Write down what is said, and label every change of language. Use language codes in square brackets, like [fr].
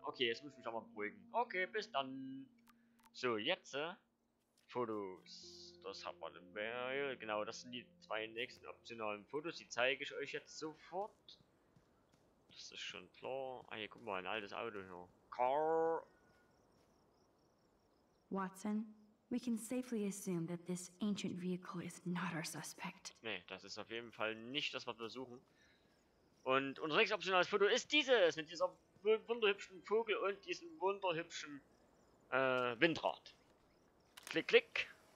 [de] Okay, jetzt muss ich mich auch mal beruhigen. Okay, bis dann. So, jetzt, Fotos. Das hat man im Mail. Genau, das sind die zwei nächsten optionalen Fotos. Die zeige ich euch jetzt sofort. Das ist schon klar. Ah, hier, guck mal, ein altes Auto hier. [en] Car. Watson, we can safely assume that this ancient vehicle is not our suspect. [de] Nee, das ist auf jeden Fall nicht das, was wir suchen. Und unser nächstes optionales Foto ist dieses, mit diesem wunderhübschen Vogel und diesem wunderhübschen Windrad. Klick, klick.